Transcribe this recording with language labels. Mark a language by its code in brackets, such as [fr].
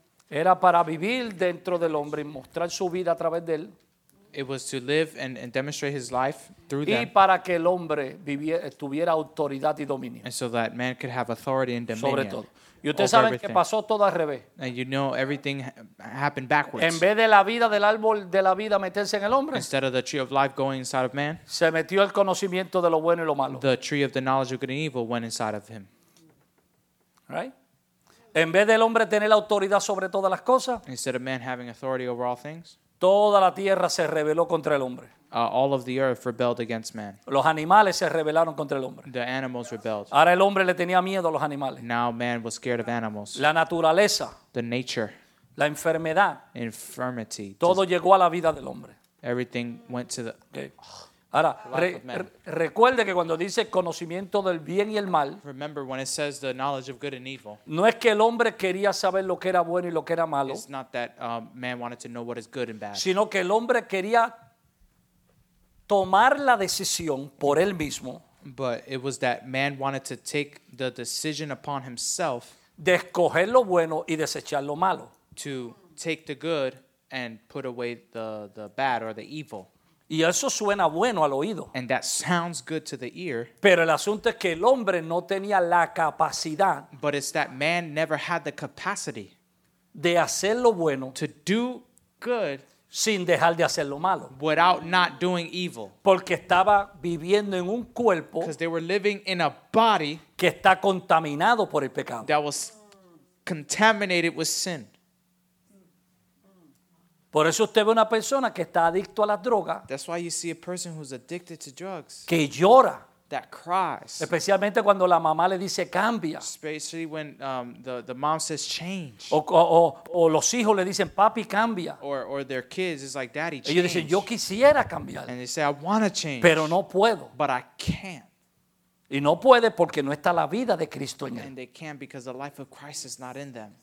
[es] Era para vivir dentro del hombre y mostrar su vida a través de él. [en] It was to live and demonstrate his life through them. [es] Y para que el hombre tuviera autoridad y dominio. [en] And so that man could have authority and dominion. [es] Sobre todo. Y ustedes saben que pasó todo al revés. [en] And you know everything happened backwards. [es] En vez de la vida del árbol de la vida meterse en el hombre. [en] Instead of the tree of life going inside of man. [es] Se metió el conocimiento de lo bueno y lo malo. [en] The tree of the knowledge of good and evil went inside of him. Right? [es] En vez del hombre tener autoridad sobre todas las cosas. [en] Instead of man having authority over all things. [es] Toda la tierra se rebeló contra el hombre. [en] All of the earth rebelled against man. [es] Los animales se rebelaron contra el hombre. [en] The animals rebelled. [es] Ahora el hombre le tenía miedo a los animales. [en] Now man was scared of animals. [es] La naturaleza. [en] The nature. [es] La enfermedad. [en] Infirmity. [es] Todo llegó a la vida del hombre. [en] Everything went to the... Okay. [es] Ahora, recuerde que cuando dice conocimiento del bien y el mal, [en] remember when it says the knowledge of good and evil, [es] no es que el hombre quería saber lo que era bueno y lo que era malo, [en] it's not that man wanted to know what is good and bad, [es] sino que el hombre quería tomar la decisión por él mismo, [en] but it was that man wanted to take the decision upon himself, [es] de escoger lo bueno y desechar lo malo, [en] to take the good and put away the bad or the evil. [es] Y eso suena bueno al oído. [en] And that sounds good to the ear. [es] Pero el asunto es que el hombre no tenía la capacidad. [en] But it's that man never had the capacity. [es] De hacer lo bueno. [en] To do good. [es] Sin dejar de hacer lo malo. [en] Without not doing evil. [es] Porque estaba viviendo en un cuerpo. [en] Because they were living in a body. [es] Que está contaminado por el pecado. [en] That was contaminated with sin. [es] Por eso usted ve una persona que está adicto a las drogas. [en] That's why you see a person who's addicted to drugs. [es] Que llora. [en] That cries. [es] Especialmente cuando la mamá le dice cambia. [en] Especially when the mom says change. [es] O los hijos le dicen papi cambia. [en] Or their kids is like daddy change. [es] Ellos dicen yo quisiera cambiar. [en] And they say I want to change. [es] Pero no puedo. [en] But I can't. [es] Y no puede porque no está la vida de Cristo en él. [en] And they can't because the life of Christ is not in them.